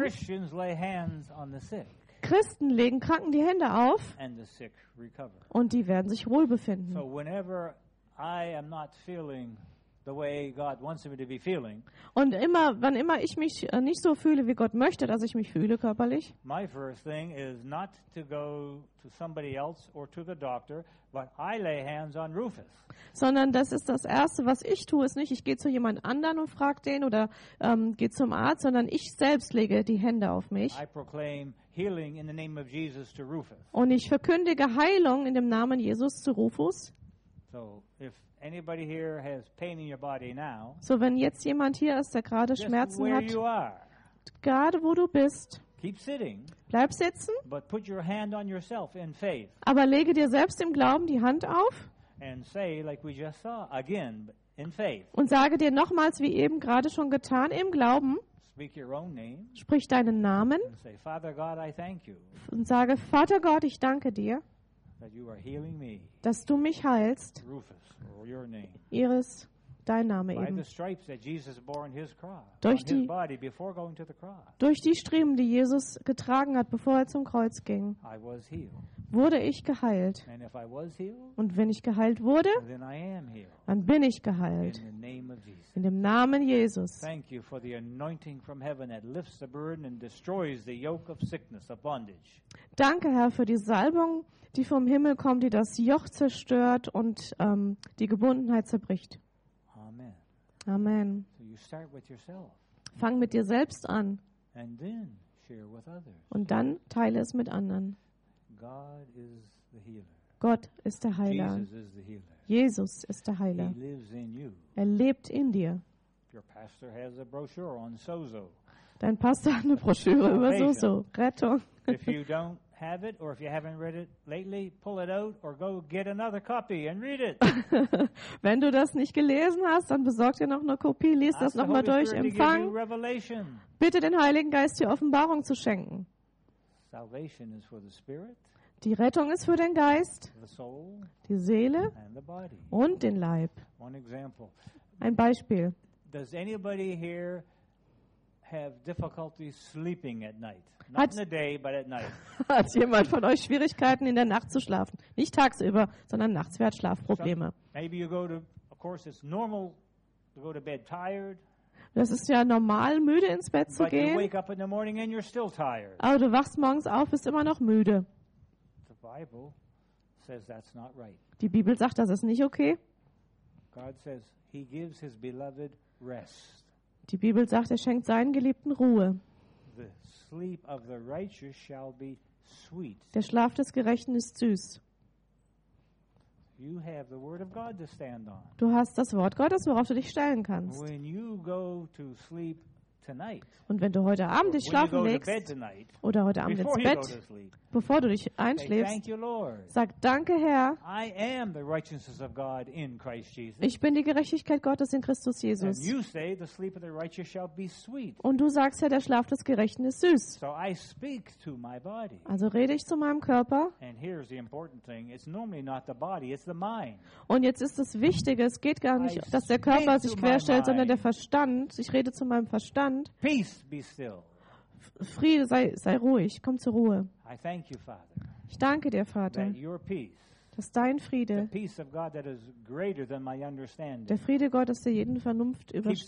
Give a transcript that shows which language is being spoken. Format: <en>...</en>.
<en>Christians lay hands on the sick.</en> <de>Christen legen Kranken die Hände auf</de> <en>and the sick recover.</en> <de>Und die werden sich wohl befinden.</de> <en>So whenever I am not feeling the way God wants me to be feeling.</en> <de>Und immer, wann immer ich mich nicht so fühle, wie Gott möchte, dass ich mich fühle körperlich.</de> <en>My first thing is not to go to somebody else or to the doctor, but I lay hands on Rufus.</en> <de>Sondern das ist das Erste, was ich tue, ist nicht, ich gehe zu jemand anderen und frage den oder gehe zum Arzt, sondern ich selbst lege die Hände auf mich.</de> <en>I proclaim healing in the name of Jesus to Rufus.</en> <de>Und ich verkündige Heilung in dem Namen Jesus zu Rufus.</de> <en>So, if anybody here has pain in your body now,</en> <de>so wenn jetzt jemand hier ist, der gerade Schmerzen hat,</de> <en>you are,</en> <de>gerade wo du bist,</de> <en>keep sitting,</en> <de>bleib sitzen,</de> <en>but put your hand on yourself in faith,</en> <de>aber lege dir selbst im Glauben die Hand auf</de> <en>and say, like we just saw, again, in faith,</en> <de>und sage dir nochmals, wie eben gerade schon getan, im Glauben,</de> <en>speak your own name,</en> <de>sprich deinen Namen</de> <en>and say, Father God, I thank you,</en> <de>und sage, Vater Gott, ich danke dir,</de> <en>that you are healing me.</en> <de>Dass du mich heilst.</de> <en>Rufus, your name.</en> <de>Iris, dein Name eben.</de> <en>By the stripes that Jesus bore in his cross.</en> <de>Durch die,</de> <en>on his body before going to the cross.</en> <de>Durch die Striemen, die Jesus getragen hat, bevor er zum Kreuz ging.</de> <en>I was healed.</en> <de>Wurde ich geheilt.</de> <en>And if I was healed,</en> <de>und wenn ich geheilt wurde,</de> <en>then I am healed.</en> <de>Dann bin ich geheilt.</de> <en>In the name of Jesus.</en> <de>In dem Namen Jesus.</de> <en>Thank you for the anointing from heaven that lifts the burden and destroys the yoke of sickness, of bondage.</en> <de>Danke, Herr, für die Salbung, die vom Himmel kommt, die das Joch zerstört und die Gebundenheit zerbricht.</de> <en>Amen.</en> <de>Amen.</de> <en>So you start with yourself.</en> <de>Fang mit dir selbst an.</de> <en>And then share with others.</en> <de>Und dann teile es mit anderen.</de> <en>God is the healer.</en> <de>Gott ist der Heiler.</de> <en>Jesus is the healer.</en> <de>Jesus ist der Heiler.</de> <en>He lives in you.</en> <de>Er lebt in dir.</de> <en>Your pastor has a brochure on Sozo.</en> <de>Dein Pastor hat eine Broschüre über Sozo. Rettung.</de> <en>If you don't have it, or if you haven't read it lately, pull it out or go get another copy and read it.</en> <de>Wenn du das nicht gelesen hast, dann besorg dir noch eine Kopie, lies das nochmal durch, empfang. Bitte den Heiligen Geist, die Offenbarung zu schenken.</de> <en>Salvation is for the spirit.</en> <de>Die Rettung ist für den Geist,</de> <en>the soul,</en> <de>die Seele</de> <en>and the body.</en> <de>Und den Leib.</de> <en>One example.</en> <de>Ein Beispiel.</de> <en>Does anybody here have difficulty sleeping at night? Not in the day, but at night.</en> <de>Hat jemand von euch Schwierigkeiten in der Nacht zu schlafen? Nicht tagsüber, sondern nachts. Wer hat Schlafprobleme?</de> <en>Maybe you go to, of course, it's normal to go to bed tired.</en> <de>Das ist ja normal, müde ins Bett zu</de> <en>but</en> <de>gehen.</de> <en>You wake up in the morning and you're still tired.</en> <de>Aber du wachst morgens auf, bist immer noch müde.</de> <en>The Bible says that's not right.</en> <de>Die Bibel sagt, das ist nicht okay.</de> <en>God says he gives his beloved rest.</en> <de>Die Bibel sagt, er schenkt seinen Geliebten Ruhe.</de> <en>The sleep of the righteous shall be sweet.</en> <de>Der Schlaf des Gerechten ist süß.</de> <en>You have the word of God to stand on.</en> <de>Du hast das Wort Gottes, worauf du dich stellen kannst.</de> <en>When you go to sleep tonight,</en> <de>und wenn du heute Abend dich schlafen legst,</de> <en>tonight,</en> <de>oder heute Abend ins Bett,</de> <en>sleep,</en> <de>bevor du dich einschläfst,</de> <en>thank you, Lord.</en> <de>Sag Danke, Herr.</de> <en>I am the righteousness of God in Christ Jesus.</en> <de>Ich bin die Gerechtigkeit Gottes in Christus Jesus.</de> <en>And you say, the sleep of the righteous shall be sweet.</en> <de>Und du sagst, Herr, der Schlaf des Gerechten ist süß.</de> <en>So I speak to my body.</en> <de>Also rede ich zu meinem Körper.</de> <en>And here's the important thing. It's normally not the body, it's the mind.</en> <de>Und jetzt ist das Wichtige, es geht gar nicht, dass der Körper sich querstellt, sondern der Verstand. Ich rede zu meinem Verstand.</de> <en>Peace be still.</en> <de>Friede, sei ruhig, komm zur Ruhe.</de> <en>I thank you, Father.</en> <de>Ich danke dir, Vater.</de> <en>That your peace,</en> <de>dass dein Friede,</de> <en>the peace of God that is greater than my understanding,</en> <de>der Friede Gottes, der jeden Vernunft übersteigt,</de>